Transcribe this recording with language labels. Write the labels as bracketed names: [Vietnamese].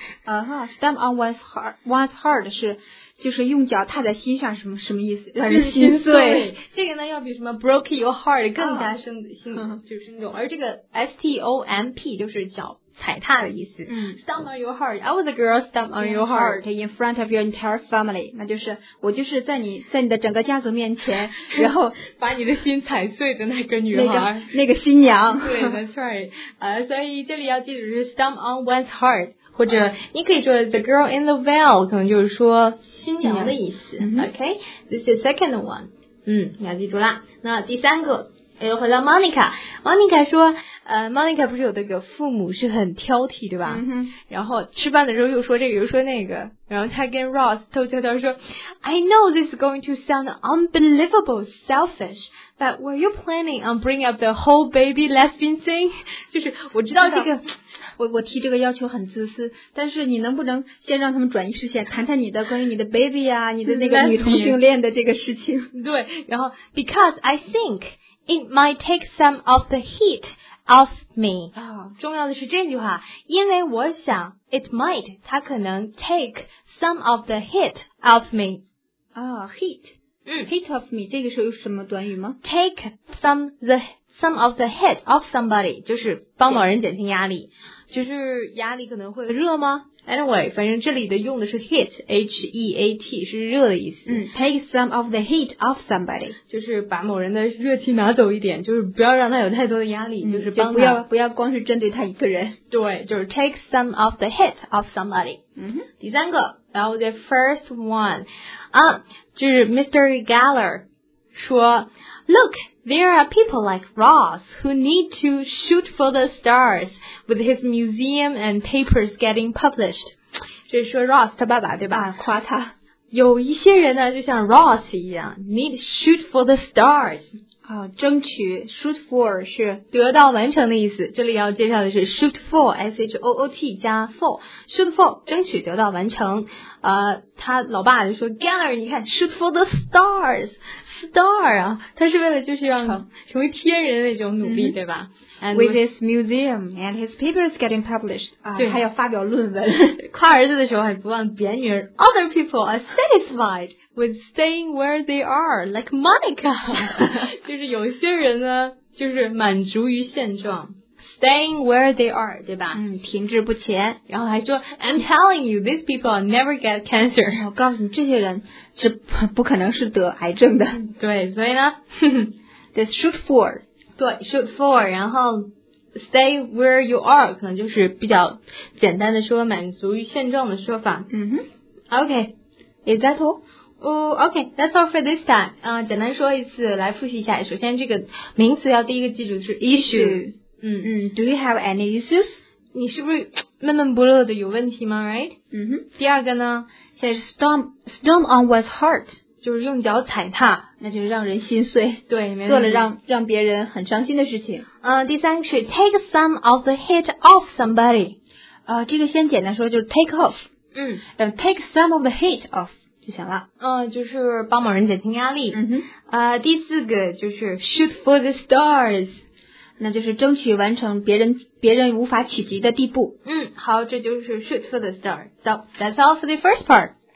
[English] Stomp on one's heart [Chinese] 是就是用脚踏在心上，什么意思？让人心碎。这个呢要比什么 [English] broke your heart [Chinese] 更加生心就是那种，而这个 stomp 就是脚踩踏的意思。 [English] Stomp on your heart. I was a girl stomp on your heart in front of your entire family. [Chinese] 那就是我就是在你的整个家族面前，然后把你的心踩碎的那个女孩，那个新娘。对 ， [English] That's right. [Chinese] 所以这里要记住是 [English] stomp on one's heart， [Chinese] 或者你可以说 [English] the girl in the veil， [Chinese] 可能就是说新娘的意思。 [English] Okay, this is the second one. [Chinese] 你要记住啦。那第三个。又回到 Monica， Monica 说Monica 不是有那个父母是很挑剔，对吧？ [English] 然后吃饭的时候又说这个又说那个，然后他跟 Ross 偷悄悄说 I know this is going to sound unbelievable selfish, but were you planning on bringing up the whole baby lesbian thing? [Chinese] 就是我知道这个我提这个要求很自私，但是你能不能先让他们转移视线，谈谈你的关于你的 baby 啊，你的那个女同性恋的这个事情。对，然后 [English] because I think it might take some of the heat off me、哦、 [Chinese] 重要的是这句话，因为我想 [English] it might [Chinese] 它可能 [English] take some of the heat off me、哦、heat、嗯、 heat off me [Chinese] 这个时候有什么短语吗？ [English] take some of the heat off somebody [Chinese] 就是帮某人减轻压力，就是压力可能会热吗？ anyway 反正这里的用的是 heat H-E-A-T 是热的意思、 [English] 嗯、take some of the heat off somebody [Chinese] 就是把某人的热气拿走一点，就是不要让他有太多的压力、嗯、就是帮他，就不要光是针对他一个人。对，就是 [English] take some of the heat off somebody、嗯、 [Chinese] 第三个 [English] now the first one、 [Chinese] 就是 [English] Mr. Geller 说 lookThere are people like Ross who need to shoot for the stars with his museum and papers getting published. [Chinese] 这是说 Ross 他爸爸对吧、啊、夸他。有一些人呢就像 Ross 一样 [English] need shoot for the stars.、 [Chinese] 啊、争取 shoot for 是得到完成的意思。这里要介绍的是 [English] shoot for, [Chinese] S-H-O-O-T 加 for, shoot for, 争取得到完成。他老爸就说 Geller 你看 [English] shoot for the stars. [Chinese] Star 啊，他是为了就是让成为天人的那种努力、嗯、对吧 [English] and with his museum and his papers getting published、 [Chinese] 对还要发表论文夸儿子的时候还不忘贬女儿 [English] other people are satisfied with staying where they are like Monica [Chinese] 就是有些人呢就是满足于现状 [English] staying where they are [Chinese] 对吧、嗯、停滞不前，然后还说 [English] I'm telling you these people never get cancer [Chinese] 我告诉你这些人是不可能是得癌症的、嗯、对，所以呢 [English] this shoot for [Chinese] 对 [English] shoot for [Chinese] 然后 [English] stay where you are [Chinese] 可能就是比较简单的说满足于现状的说法嗯哼 [English] OK is that all? OK, that's all for this time、 [Chinese] 简单说一次来复习一下，首先这个名词要第一个记住是 issue [English] Do you have any issues? [Chinese] 你是不是闷闷不乐的有问题吗 right?、 Mm-hmm. 第二个呢现在是 [English] stomp on one's heart, [Chinese] 就是用脚踩踏那就是让人心碎对没做了让别人很伤心的事情。第三个是 [English] take some of the heat off somebody.、 [Chinese] 这个先简单说就是 [English] take off,、嗯、 [Chinese] 然后 [English] take some of the heat off. [Chinese] 就行了就是帮某人减轻压力、嗯哼第四个就是 [English] shoot for the stars [Chinese] 那就是争取完成别人无法企及的地步嗯好这就是 [English] shoot for the stars So that's all for the first part